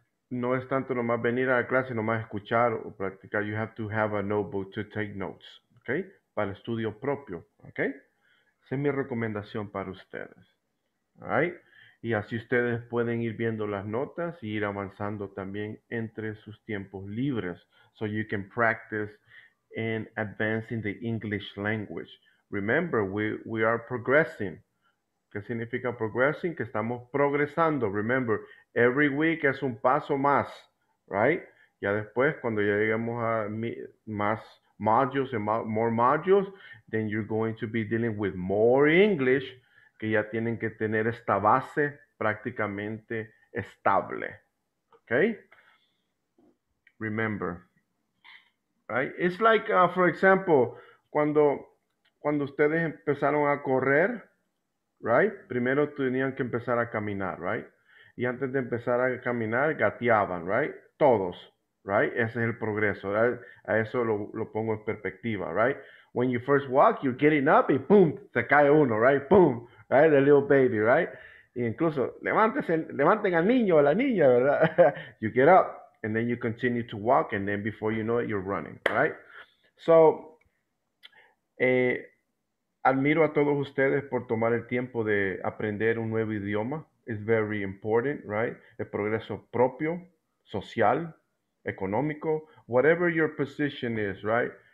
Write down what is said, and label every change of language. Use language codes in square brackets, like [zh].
[es] No es tanto nomás venir a la clase, nomás escuchar o practicar. [en] You have to have a notebook to take notes, okay? [es] Para estudio propio, [en] okay? [es] Esa es mi recomendación para ustedes. All right? Y así ustedes pueden ir viendo las notas y ir avanzando también entre sus tiempos libres. [en] So you can practice in advancing the English language. Remember, we are progressing. [es] ¿Qué significa progressing? Que estamos progresando. [en] Remember, every week [es] es un paso más, right? Ya después, cuando ya lleguemos a más [en] modules and more modules, then you're going to be dealing with more English, [es] que ya tienen que tener esta base prácticamente estable. Okay? [en] Remember, right? It's like, for example, [es] cuando ustedes empezaron a correr, [en] right? [es] Primero tenían que empezar a caminar, right? Y antes de empezar a caminar, gateaban, right? Todos, right? Ese es el progreso. A eso lo pongo en perspectiva, right? [en] When you first walk, you're getting up [es] y boom, se cae uno, [en] right? Boom, right? The little baby, right? [es] E incluso, levanten al niño o la niña, ¿verdad? [en] You get up and then you continue to walk and then before you know it, you're running, right? [es] So, admiro a todos ustedes por tomar el tiempo de aprender un nuevo idioma. [en] It's very important, right? [es] El progreso propio, social, económico, [en] whatever your position is, right?